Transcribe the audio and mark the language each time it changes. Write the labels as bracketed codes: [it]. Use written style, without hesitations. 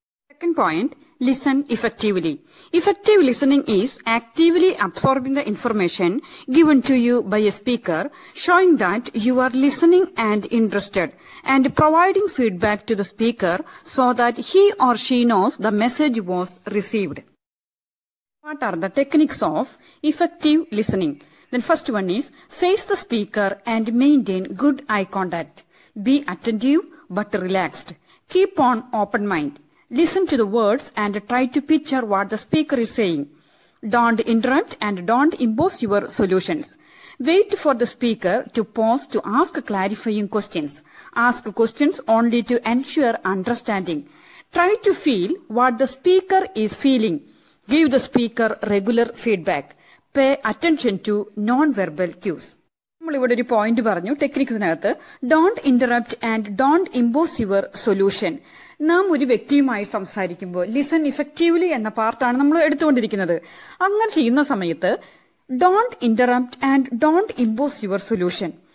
[en] Second point, listen effectively. Effective listening is actively absorbing the information given to you by a speaker, showing that you are listening and interested and providing feedback to the speaker so that he or she knows the message was received. What are the techniques of effective listening? Then first one is face the speaker and maintain good eye contact. Be attentive but relaxed. Keep on open mind. Listen to the words and try to picture what the speaker is saying. Don't interrupt and don't impose your solutions. Wait for the speaker to pause to ask clarifying questions. Ask questions only to ensure understanding. Try to feel what the speaker is feeling. Give the speaker regular feedback. Pay attention to non-verbal cues. [ml] നമ്മൾ ഇവിടെ ഒരു point പറഞ്ഞു ടെക്നിക്സിനകത്ത്. [en] Don't interrupt and don't impose your solution. [ml] നാം ഒരു വ്യക്തിയുമായി സംസാരിക്കുമ്പോൾ [en] listen effectively [ml] എന്ന പാർട്ടാണ് നമ്മൾ എടുത്തുകൊണ്ടിരിക്കുന്നത്. അങ്ങനെ ചെയ്യുന്ന സമയത്ത് [en] Don't interrupt and don't impose your solution.